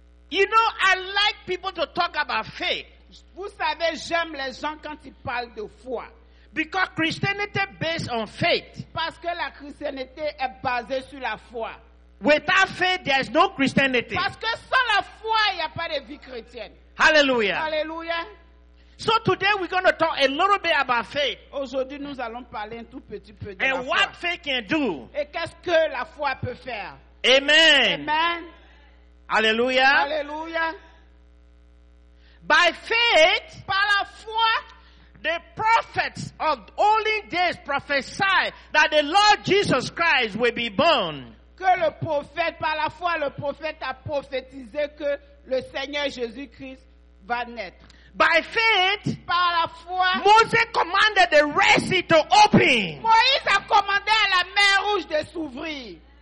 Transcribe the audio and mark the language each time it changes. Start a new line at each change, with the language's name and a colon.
English: You know, I like people to talk about faith.
French: Vous savez, j'aime les gens quand ils parlent de foi.
English: Because Christianity is based on faith.
French: Parce que la christianité est basée sur la foi.
English: Without faith, there is no Christianity.
French: Parce que sans la foi, il n'y a pas de vie chrétienne.
English: Hallelujah. Hallelujah. So today we're going to talk a little bit about faith.
French: Aujourd'hui nous allons parler un tout petit peu de la foi.
English: And what faith can do.
French: Et qu'est-ce que la foi peut faire?
English: Amen. Amen. Hallelujah. Hallelujah. By faith,
French: par la foi,
English: the prophets of olden days prophesied that the Lord Jesus Christ will be born.
French: Que le prophète, par la foi, le prophète a prophétisé que le Seigneur Jésus-Christ va naître.
English: By faith,
French: par la foi,
English: Moses commanded the Red Sea to open.
French: Moïse a commandé à la mer Rouge de s'ouvrir.